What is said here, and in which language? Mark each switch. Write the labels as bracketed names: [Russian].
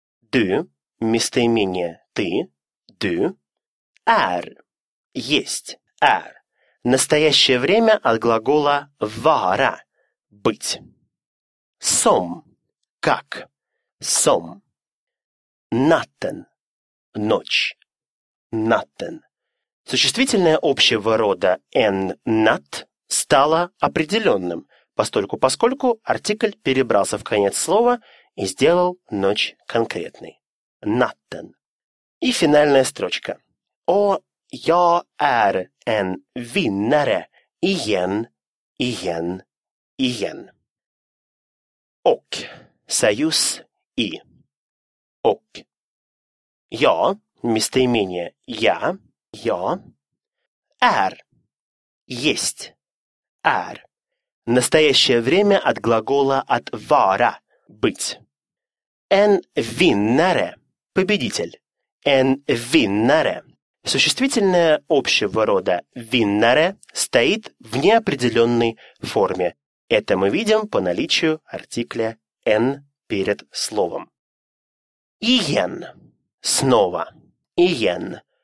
[Swedish] Du, [Russian] местоимение ты, [Swedish] du, är, есть, är. [Russian] Настоящее время от глагола vara, быть. [Swedish] Som, как, som. Natten, ночь, natten. [Russian] Существительное общего рода «n-nat» стало определенным, поскольку артикль перебрался в конец слова и сделал ночь конкретной. «Natten». И финальная строчка. [Swedish] «O, jag är en vinnare igen, igen, igen». [Russian] «Ок». Союз «и». «Ок». «Я», местоимение «я», «я». Är. Есть. Är. Настоящее время от глагола «от вара» – «быть». [Swedish] En vinnare – победитель. En vinnare. [Russian] Существительное общего рода vinnare стоит в неопределенной форме. Это мы видим по наличию артикля «en» перед словом. [Swedish] Igen – снова. Igen.